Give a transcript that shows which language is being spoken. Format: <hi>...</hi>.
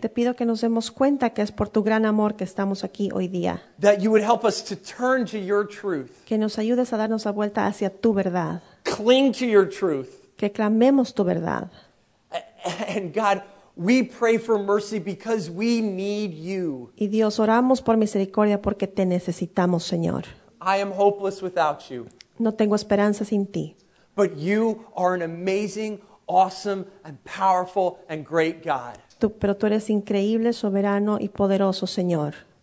<es>Te pido que nos demos cuenta que es por tu gran amor que estamos aquí hoy día.</es> <en>That you would help us to turn to your truth.</en> <es>Que nos ayudes a darnos la vuelta hacia tu verdad.</es> <en>Cling to your truth.</en> <es>Que clamemos tu verdad.</es> <en>And God, we pray for mercy because we need you.</en> <es>Y Dios, oramos por misericordia porque te necesitamos, Señor.</es> <en>I am hopeless without you.</en> <es>No tengo esperanza sin ti.</es> <en>But you are an amazing, awesome, and powerful, and great God.</en> <es>Pero tú eres increíble, soberano, y poderoso, Señor.</es>